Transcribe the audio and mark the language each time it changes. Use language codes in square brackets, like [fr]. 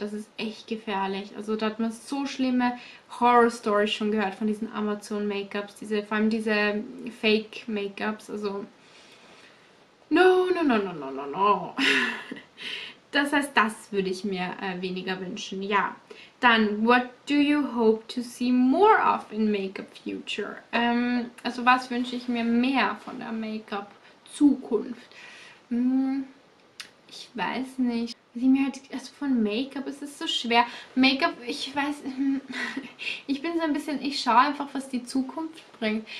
[de] Das ist echt gefährlich. Also da hat man so schlimme Horror-Stories schon gehört von diesen Amazon-Make-ups. Vor allem diese Fake-Make-ups. Also no, no, no, no, no, no, no. Das heißt, das würde ich mir weniger wünschen. Ja. [en] Dann, what do you hope to see more of in Make-up Future? [de] Also, was wünsche ich mir mehr von der Make-up Zukunft? Ich weiß nicht. Sie mir halt, also von Make-up, es ist so schwer. Make-up, ich weiß, ich bin so ein bisschen, ich schaue einfach, was die Zukunft bringt.